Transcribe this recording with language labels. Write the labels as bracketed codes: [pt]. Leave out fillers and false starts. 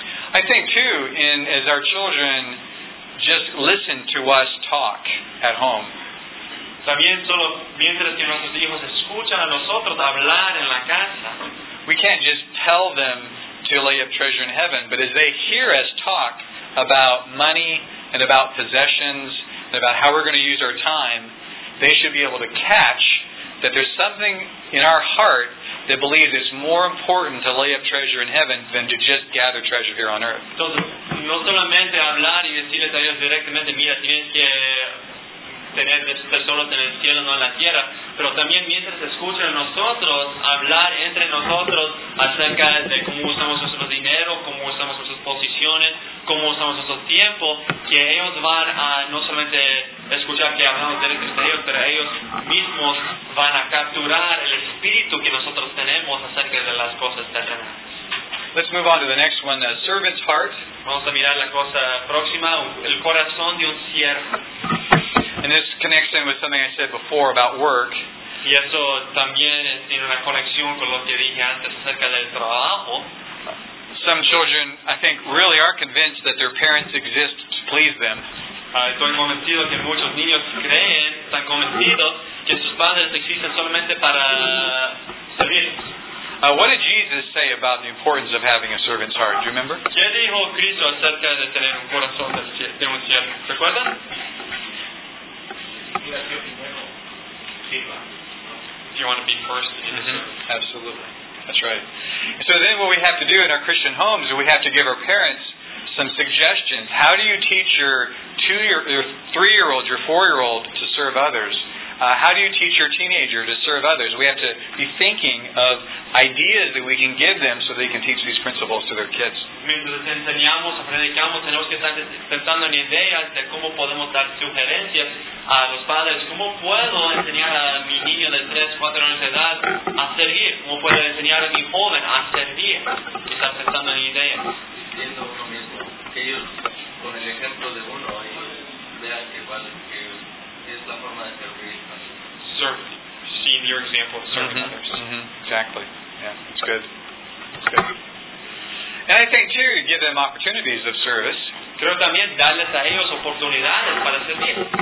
[en] I think too, in as our children just listen to us talk at home. [es] También solo mientras que nuestros hijos escuchan a nosotros hablar en la casa. [en] We can't just tell them to lay up treasure in heaven, but as they hear us talk about money and about possessions and about how we're going to use our time, they should be able to catch that there's something in our heart that believes it's more important to lay up treasure in heaven than to just gather treasure here on earth. [es] Entonces, no solamente hablar y decirles a ellos directamente, mira, tienes que tener tesoros en el cielo, no en la tierra, pero también mientras escuchan a nosotros hablar entre nosotros acerca de cómo usamos nuestro dinero, cómo usamos nuestras posiciones, cómo usamos nuestro tiempo, que ellos van a no solamente escuchar que hablamos directo entre ellos, pero ellos mismos van a capturar el espíritu que nosotros tenemos acerca de las cosas terrenas. [en] Let's move on to the next one, the servant's heart. [es] Vamos a mirar la cosa próxima, el corazón de un siervo. [en] And this connects in with something I said before about work. [es] Y eso también tiene una conexión con lo que dije antes acerca del trabajo. [en] Some children, I think, really are convinced that their parents exist to please them. [es] Estoy convencido que muchos niños creen, están convencidos, que sus padres existen solamente para servirles. [en] What did Jesus say about the importance of having a servant's heart? Do you remember? [es] ¿Qué dijo Cristo acerca de tener un corazón de un siervo? ¿Se acuerdan? [en] If you want to be first, mm-hmm. Absolutely. That's right. So then what we have to do in our Christian homes is we have to give our parents some suggestions. How do you teach your 3-year-old, your 4-year-old to serve others? How do you teach your teenager to serve others? We have to be thinking of ideas that we can give them so they can teach these principles to their kids. [es] Mientras enseñamos o predicamos, tenemos que estar pensando en ideas de cómo podemos dar sugerencias a los padres. ¿Cómo puedo enseñar a mi niño de 3, 4 años de edad a servir? ¿Cómo puedo enseñar a mi joven a servir? Y estar pensando en ideas. Siendo uno mismo. Que ellos, con el ejemplo de uno, vean que vale. [en] Seeing your example of serving others. Mm-hmm. Exactly. Yeah, that's good. And I think too, give them opportunities of service. [es] Creo también darles a ellos oportunidades para servir.